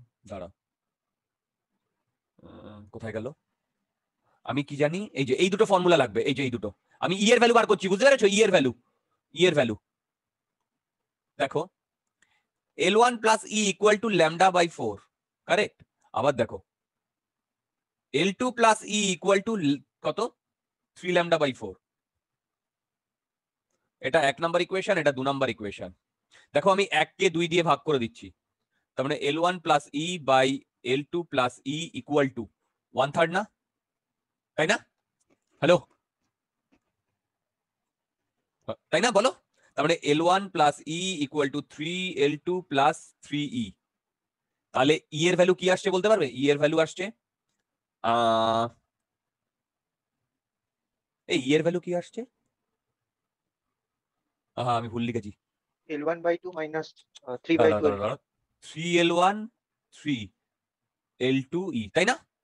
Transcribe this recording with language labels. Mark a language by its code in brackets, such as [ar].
[bn] দাঁড়া কোথায় গেল আমি কি জানি এই যে এই দুটো ফর্মুলা লাগবে এই যে এই দুটো আমি ই এর ভ্যালু বার করছি বুঝতে পেরেছো ই এর ভ্যালু দেখো [en] L1 plus E equal to lambda by 4. Correct? [bn] আবার দেখো. [en] L2 plus E equal to [bn] কত? [en] 3 lambda by 4. [bn] এটা এক নাম্বার ইকুয়েশন, এটা দু নাম্বার ইকুয়েশন. দেখো আমি এককে দুই দিয়ে ভাগ করে দিচ্ছি. তার মানে [en] L1 plus E by L2 plus E equal to 1/3 [bn] না? তাই না? হ্যালো? তাই না বলো? তাহলে [en] L1 plus E equal to 3 L2 plus 3 E. [bn] তাহলে E এর ভ্যালু কি আসছে বলতে পারবে? E এর ভ্যালু আসছে এই E এর ভ্যালু কি আসছে? আহা আমি ভুল লিখেছি. [en] L1 by 2 minus 3 by 2. 3 L1 3 L2 E. [bn] তাই না?